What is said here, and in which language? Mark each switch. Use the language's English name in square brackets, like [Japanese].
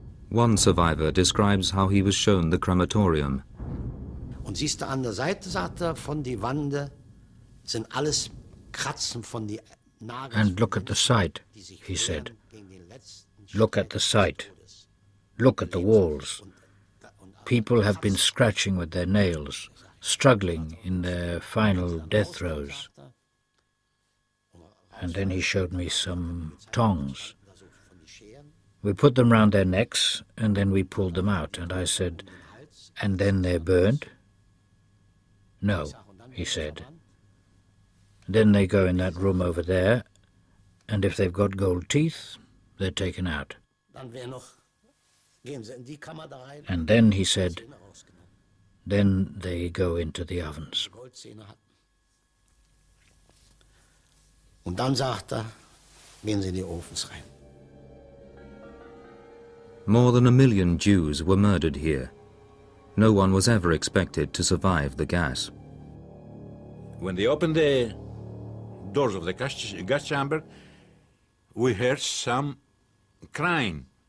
[English] One survivor describes how he was shown the crematorium. [German] Und siehst du an der Seite, sagt er, von die Wande sind alles Kratzen von die Nagels. [English] And look at the site, he said. Look at the site. Look at the walls. People have been scratching with their nails, struggling in their final death throes. And then he showed me some tongs. We put them round their necks, and then we pulled them out. And I said, and then they're burned? No, he said. Then they go in that room over there, and if they've got gold teeth, they're taken out. And then, he said, then they go into the ovens. [German] Und dann sagt er, gehen Sie in die Ofens rein. [English] More than a million Jews were murdered here. No one was ever expected to survive the gas. When they opened the doors of the gas chamber, we heard some crying.